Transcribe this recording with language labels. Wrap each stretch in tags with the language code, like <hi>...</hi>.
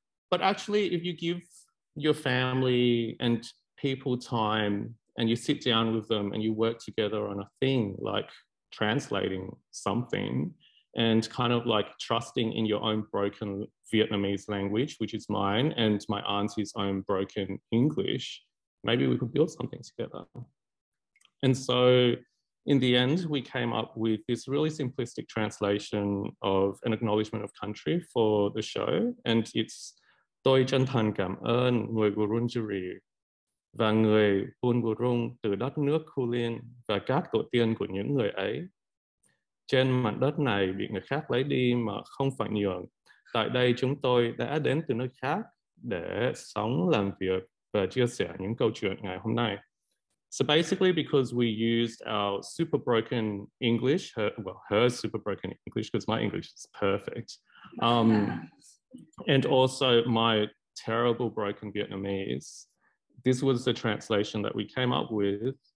<en>But actually, if you give your family and people time and you sit down with them and you work together on a thing like translating something and kind of like trusting in your own broken Vietnamese language, which is mine, and my auntie's own broken English, maybe we could build something together. And so in the end, we came up with this really simplistic translation of an acknowledgement of country for the show. And it's</en> <vi>Tôi chân thành cảm ơn người Wurundjeri và người Wurundjeri từ đất nước Kulin và các tổ tiên của những người ấy. Trên mảnh đất này bị người khác lấy đi mà không phải nhường. Tại đây chúng tôi đã đến từ nơi khác để sống, làm việc và chia sẻ những câu chuyện ngày hôm nay.</vi> <en>So basically, because we used our super broken English, her super broken English, because my English is perfect, and also my terrible broken Vietnamese, this was the translation that we came up with.</en>